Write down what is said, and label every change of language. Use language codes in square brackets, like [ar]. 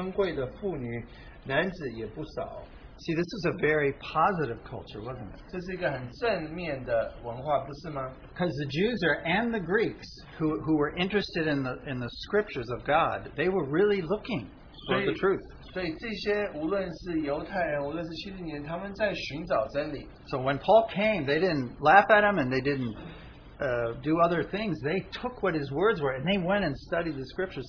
[zh] 这地方的人甚于帖撒罗尼迦的人甘心领受这道天天查考圣经要晓得这道是与不是所以他们中间多有相信的又有希利尼贵尊贵的妇女男子也不少 [en] See, this is a very positive culture, wasn't it? [zh] 这是一个很正面的文化，不是吗？ [en] Because the Jews are, and the Greeks who were interested in the scriptures of God, they were really looking for the truth. [zh] 所以这些无论是犹太人，无论是希利尼人，他们在寻找真理。 [en] So when Paul came, they didn't laugh at him, and they didn't do other things. They took what his words were, and they went and studied the scriptures.